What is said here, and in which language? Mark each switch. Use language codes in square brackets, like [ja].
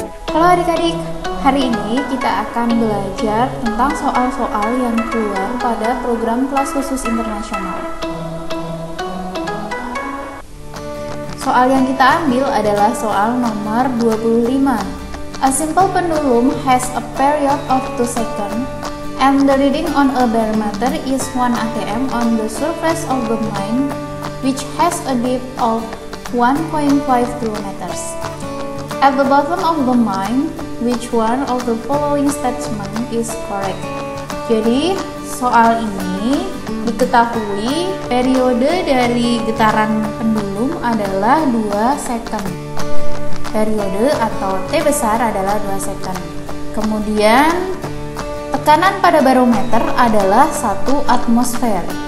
[id] Halo adik-adik, hari ini kita akan belajar tentang soal-soal yang keluar pada program kelas khusus internasional. Soal yang kita ambil adalah soal nomor 25. [en] A simple pendulum has a period of 2 seconds and the reading on a barometer is 1 atm on the surface of the mine which has a depth of 1.5 km. At the bottom of the mine, which one of the following statement is correct? [id] Jadi, soal ini diketahui periode dari getaran pendulum adalah 2 second. Periode atau T besar adalah 2 second. Kemudian, tekanan pada barometer adalah 1 atmosfer.